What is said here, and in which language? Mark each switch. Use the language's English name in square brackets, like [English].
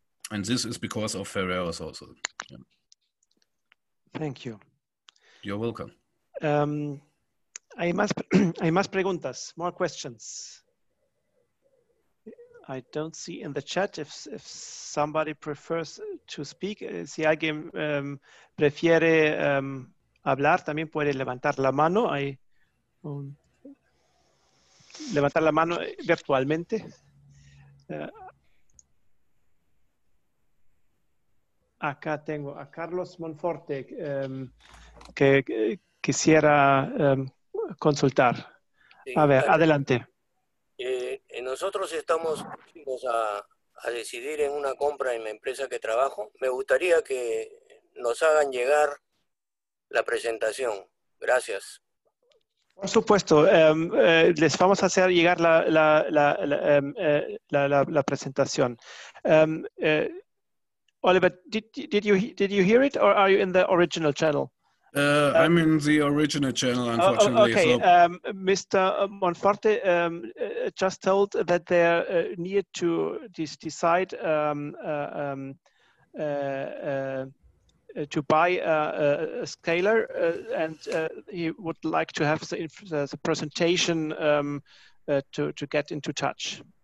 [English] And this is because of Ferreros also. Yeah. Thank you. You're welcome. [Spanish] Hay más preguntas, [English] more questions. I don't see in the chat if somebody prefers to speak. [Spanish] Si alguien prefiere hablar, también puede levantar la mano. Hay levantar la mano virtualmente. Acá tengo a Carlos Monforte que quisiera consultar. Sí, a ver, claro. Adelante. Nosotros estamos próximos a decidir en una compra en la empresa que trabajo. Me gustaría que nos hagan llegar la presentación. Gracias. Por supuesto, les vamos a hacer llegar la presentación. [English] Oliver, did you hear it, or are you in the original channel? I'm in the original channel, unfortunately. Okay, so. Mr. Monforte just told that they need to decide to buy a scaler, and he would like to have the presentation to get into touch.